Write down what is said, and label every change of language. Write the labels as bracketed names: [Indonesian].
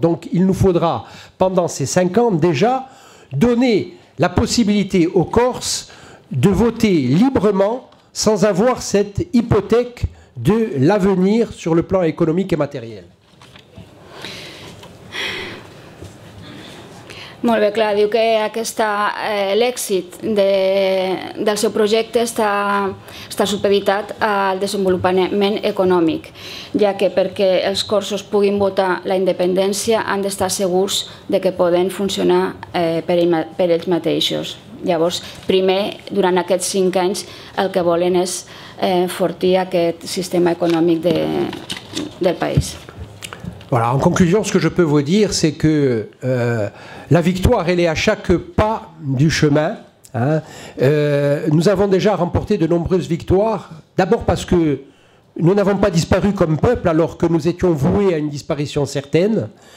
[French] Donc il nous faudra, pendant ces 5 ans déjà, donner la possibilité aux Corses de voter librement sans avoir cette hypothèque de l'avenir sur le plan économique et matériel. [Catalan] Molt bé, clar, diu que l'èxit del seu projecte està supeditat al desenvolupament econòmic, ja que perquè els corsos puguin votar la independència han d'estar segurs de que poden funcionar per ells mateixos. Llavors, primer, durant aquests 5 anys, el que volen és fortir aquest sistema econòmic del país. [French] Voilà, en conclusion, ce que je peux vous dire, c'est que la victoire, elle est à chaque pas du chemin. Hein. Nous avons déjà remporté de nombreuses victoires, d'abord parce que nous n'avons pas disparu comme peuple alors que nous étions voués à une disparition certaine.